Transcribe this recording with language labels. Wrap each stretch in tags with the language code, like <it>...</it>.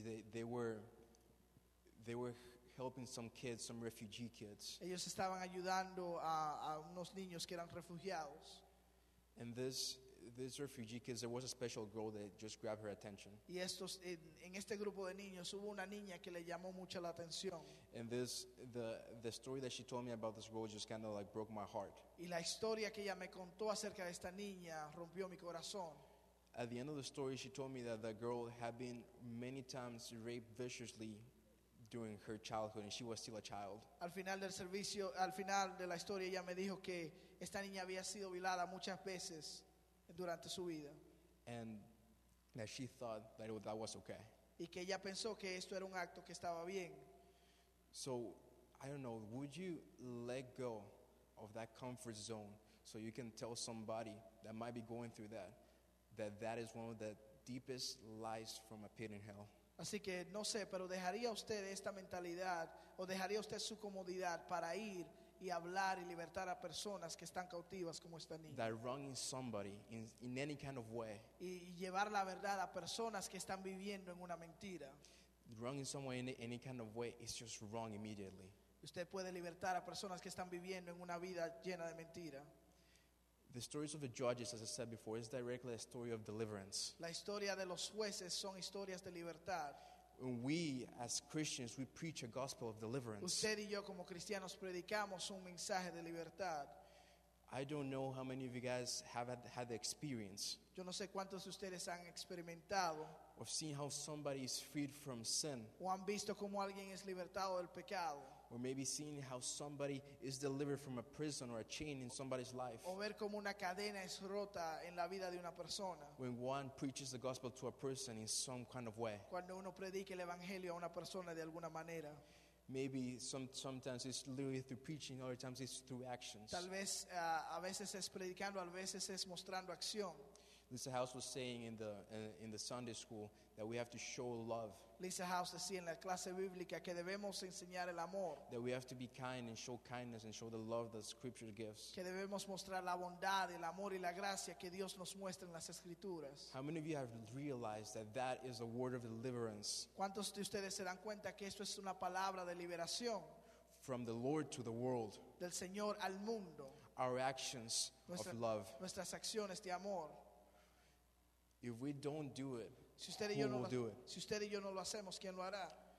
<en>They were helping some kids, some refugee kids.</en> <es>Ellos estaban ayudando a unos niños que eran refugiados.</es> <en>And this refugee kid, there was a special girl that just grabbed her attention.</en> <es>Y estos en este grupo de niños hubo una niña que le llamó mucha la atención.</es> <en>And the story that she told me about this girl just kind of like broke my heart.</en> <es>Y la historia que ella me contó acerca de esta niña rompió mi corazón.</es> <en>At the end of the story, she told me that the girl had been many times raped viciously during her childhood, and she was still a child.</en> <es>Al final del servicio, al final de la historia, ella me dijo que esta niña había sido violada muchas veces durante su vida.</es> <en>And that she thought that that was okay.</en> <es>Y que ella pensó que esto era un acto que estaba bien.</es> <en>So, I don't know, would you let go of that comfort zone so you can tell somebody that might be going through that is one of the deepest lies from a pit in hell?</en> <es>Así que no sé, pero ¿dejaría usted esta mentalidad o dejaría usted su comodidad para ir y hablar y libertar a personas que están cautivas como esta niña?</es> <en>That wronging somebody in any kind of way.</en> <es>Y llevar la verdad a personas que están viviendo en una mentira.</es> <en>Wronging someone in any kind of way is just wrong immediately.</en> <es>Usted puede libertar a personas que están viviendo en una vida llena de mentira.</es> <en>The stories of the judges, as I said before, is directly a story of deliverance.</en> <es>La historia de los jueces son historias de libertad.</es> <en>And we, as Christians, we preach a gospel of deliverance.</en> <es>Usted y yo como cristianos predicamos un mensaje de libertad.</es> <en>I don't know how many of you guys have had the experience.</en> <es>Yo no sé cuántos de ustedes han experimentado.</es> <en>Of seeing how somebody is freed from sin.</en> <es>O han visto cómo alguien es libertado del pecado.</es> <en>Or maybe seeing how somebody is delivered from a prison or a chain in somebody's life.</en> <es>O ver cómo una cadena es rota en la vida de una persona.</es> <en>When one preaches the gospel to a person in some kind of way.</en> <es>Cuando uno predica el evangelio a una persona de alguna manera.</es> <en>Maybe sometimes it's literally through preaching, other times it's through actions.</en> <es>Tal vez a veces es predicando, a veces es mostrando acción.</es> <en>Lisa House was saying in the Sunday school that we have to show love.</en> <es>Lisa House decía en la clase bíblica que debemos enseñar el amor.</es> <en>That we have to be kind and show kindness and show the love that Scripture gives.</en> <es>Que debemos mostrar la bondad, el amor y la gracia que Dios nos muestra en las Escrituras.</es> <en>How many of you have realized that is a word of deliverance?</en> <es>¿Cuántos de ustedes se dan cuenta que esto es una palabra de liberación?</es> <en>From the Lord to the world.</en> <es>Del Señor al mundo.</es> <en>Our actions of love.</en> <es>Nuestras acciones de amor.</es> <en>If we don't do it,</en> <es>si usted y</es> <en>who</en> <es>yo no</es> <en>will</en> <es>lo,</es> <en>do it?</en> <es>Si usted y yo no lo hacemos, ¿quién lo hará?</es>